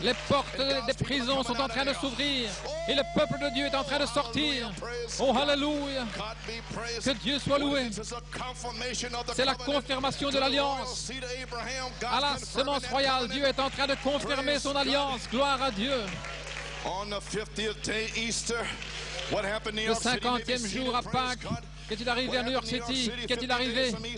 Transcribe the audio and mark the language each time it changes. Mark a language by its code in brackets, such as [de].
[fr] Les portes des prisons sont en train de s'ouvrir et le peuple de Dieu est en train de sortir. Oh, hallelujah. Que Dieu soit loué. C'est la confirmation de l'alliance. À la semence royale, Dieu est en train de confirmer son alliance. Gloire à Dieu. [en] On the 50th day Easter, what happened in [fr] New York City? Le 50e jour à Pâques. Qu'est-il arrivé à New York City? Qu'est-il arrivé?